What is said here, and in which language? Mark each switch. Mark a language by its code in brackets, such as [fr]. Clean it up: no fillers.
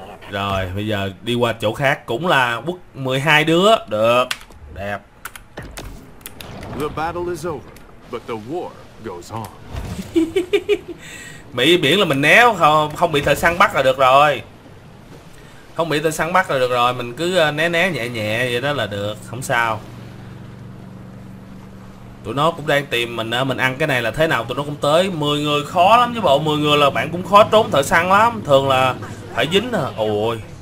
[vi] Rồi, bây giờ đi qua chỗ khác cũng là quốc 12 đứa. Được. Đẹp. [en] The battle is over, but the war goes on. [vi] Mỹ biển là mình né không bị thợ săn bắt là được rồi. Không bị thợ săn bắt là được rồi, mình cứ né nhẹ nhẹ vậy đó là được, không sao. Tụi nó cũng đang tìm mình ăn cái này là thế nào tụi nó cũng tới. 10 người khó lắm chứ bộ, 10 người là bạn cũng khó trốn thợ săn lắm, thường là phải dính à. Ôi.